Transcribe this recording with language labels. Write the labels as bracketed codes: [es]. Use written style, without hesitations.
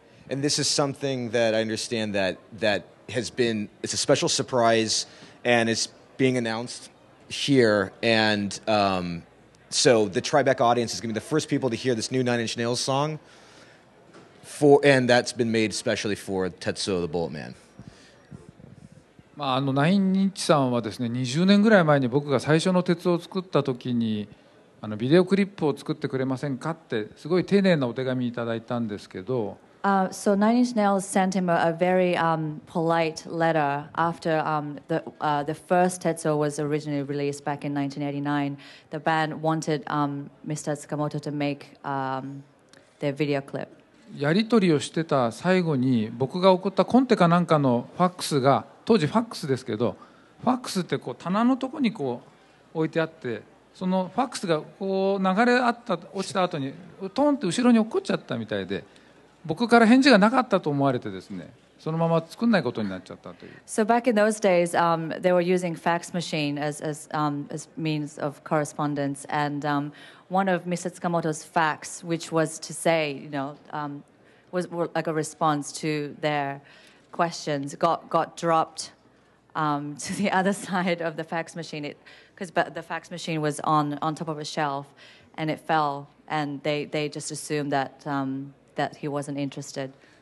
[en] And this is something that I understand that that has been, it's a special surprise, and it's being announced here. And so the Tribeca audience is going to be the first people to hear this new Nine Inch Nails song, for and that's been made specially for Tetsuo the Bullet Man. [ja] まあ、あのナインインチさんはですね、20年ぐらい前に僕が最初の鉄を作った時にあのビデオクリップを作ってくれませんかってすごい丁寧なお手紙いただいたんですけど、 [en] So Nine Inch Nails sent him a very polite letter after the first Tetsuo was originally released back in 1989. The band wanted Mr. Tsukamoto to make their video clip. [ja] やり取りをしてた最後に僕が送ったコンテかなんかのファックスが、当時ファックスですけど、ファックスってこう棚のとこにこう置いてあって、そのファックスがこう流れあった落ちた後にトンって後ろに落っこっちゃったみたいで、僕から返事がなかったと思われてですね、そのまま作んないことになっちゃったという。 [en] So back in those days, they were using fax machine as means of correspondence, and one of Mr. Tsukamoto's fax, which was to say, you know, was like a response to their questions, got dropped to the other side of the fax machine, because the fax machine was on top of a shelf, and it fell, and they just assumed that that he wasn't interested.